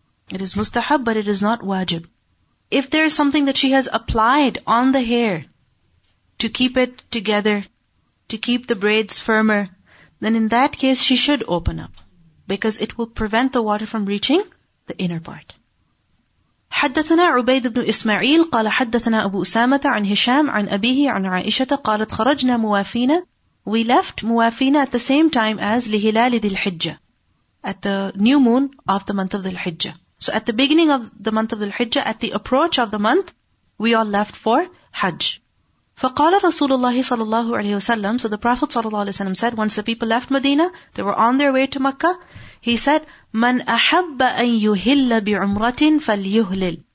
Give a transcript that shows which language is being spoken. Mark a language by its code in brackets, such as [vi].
[en] It is mustahab, but it is not wajib. If there is something that she has applied on the hair to keep it together, to keep the braids firmer, then in that case, she should open up, because it will prevent the water from reaching the inner part. [ar] حدثنا عبيد بن إسماعيل قال حدثنا أبو أسامة عن هشام عن أبيه عن عائشة قالت خرجنا موافينا. [en] We left موافينا at the same time as لهلال ذي الحجة, at the new moon of the month of ذي الحجة. So at the beginning of the month of ذي الحجة, at the approach of the month, we all left for Hajj. [ar] فقال رسول الله صلى الله عليه وسلم, [en] so the Prophet صلى الله عليه وسلم said, once the people left Medina, they were on their way to Mecca, he said, [ar] من أحب أن يهل بعمرة فليهلل.